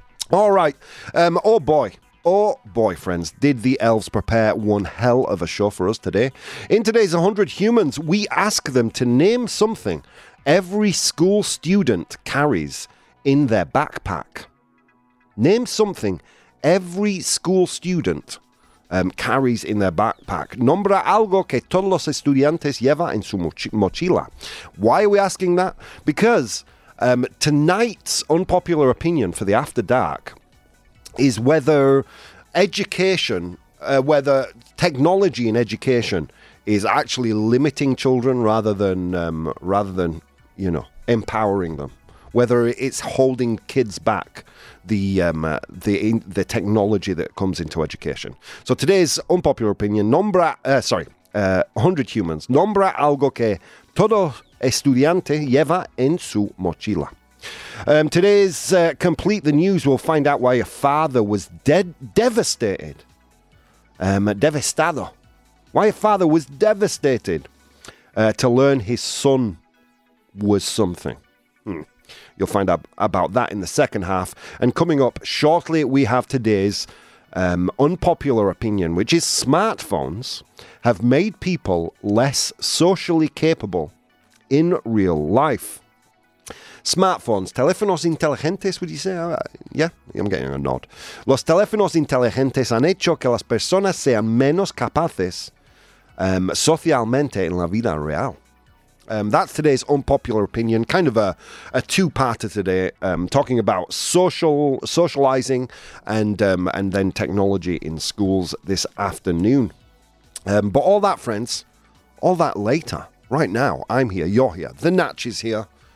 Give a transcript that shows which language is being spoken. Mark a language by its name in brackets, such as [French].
[English] All right. Oh boy, friends, did the elves prepare one hell of a show for us today. In today's 100 Humans, we ask them to name something every school student carries in their backpack. Name something every school student carries in their backpack. [Spanish] Nombra algo que todos los estudiantes lleva en su mochila. [English] Why are we asking that? Because... tonight's unpopular opinion for the After Dark is whether education, whether technology in education is actually limiting children rather than, you know, empowering them. Whether it's holding kids back, the technology that comes into education. So today's unpopular opinion, nombra, 100 humans, [Spanish] nombra algo que todo estudiante lleva en su mochila. [English] Today's complete the news, we'll find out why your father was devastated. Devastado. Why your father was devastated to learn his son was something. You'll find out about that in the second half. And coming up shortly, we have today's unpopular opinion, which is smartphones have made people less socially capable in real life. Smartphones, [Spanish] teléfonos inteligentes, [English] would you say? Yeah, I'm getting a nod. [Spanish] Los teléfonos inteligentes han hecho que las personas sean menos capaces socialmente en la vida real. [English] That's today's unpopular opinion, kind of a two-parter today, talking about socializing and then technology in schools this afternoon. But all that, friends, all that later. Right now, I'm here, you're here, the Natch is here.